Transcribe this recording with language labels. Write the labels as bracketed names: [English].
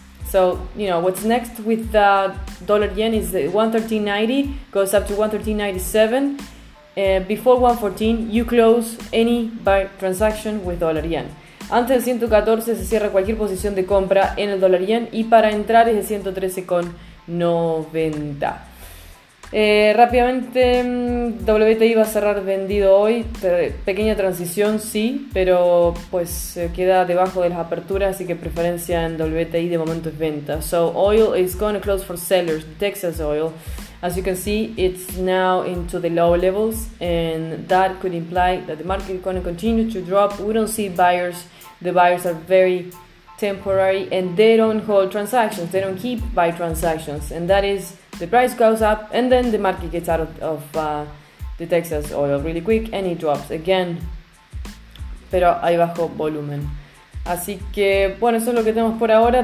[English] So, you know, what's next with the dollar yen is the 1.1390, goes up to 1.1397. Before 1.14, you close any buy transaction with dollar yen. [Spanish] Antes del 114 se cierra cualquier posición de compra en el dólar yen, y para entrar es de 113.90. Rápidamente, WTI va a cerrar vendido hoy, pequeña transición, sí, pero pues queda debajo de las aperturas, así que preferencia en WTI de momento es venta. [English] So oil is going to close for sellers, Texas oil, as you can see, it's now into the low levels, and that could imply that the market is going to continue to drop. We don't see buyers, the buyers are very temporary, and they don't hold transactions, they don't keep buy transactions, and that is the price goes up, and then the market gets out of the Texas oil really quick, and it drops again. [Spanish] Pero hay bajo volumen. Así que, bueno, eso es lo que tenemos por ahora.